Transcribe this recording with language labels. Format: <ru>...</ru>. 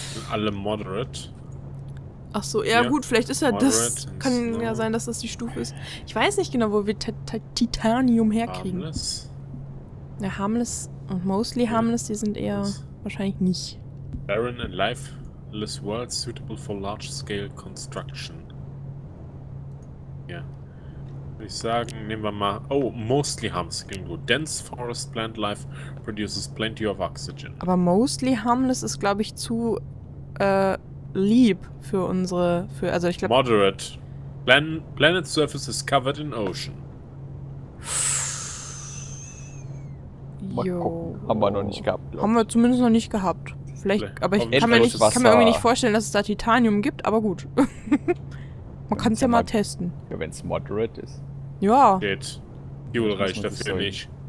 <de>Alle moderate. Ach so, ja gut, vielleicht ist ja das... Kann ja sein, dass das die Stufe ist. Ich weiß nicht genau, wo wir Titanium herkriegen. Harmless. Ja, harmless und mostly harmless, die sind eher wahrscheinlich nicht.</de> <en>Barren and life... This world suitable for large-scale construction.</en> <de>Ja. Würde ich sagen, nehmen wir mal...</de> <en>Oh, mostly harmless.</en> <de>Klingt gut.</de> <en>Dense forest plant life produces plenty of oxygen.</en> <de>Aber mostly harmless ist, glaube ich, zu lieb für unsere... also ich glaube... Moderate.</de> <en>Planet surface is covered in ocean.</en> <de>Jo. Haben wir noch nicht gehabt. Haben wir zumindest noch nicht gehabt. Vielleicht, aber ich kann mir irgendwie nicht vorstellen, dass es da Titanium gibt, aber gut. Man kann es ja mal testen. Ja, wenn es moderate ist. Ja. Geht. Fuel reicht dafür nicht.</de>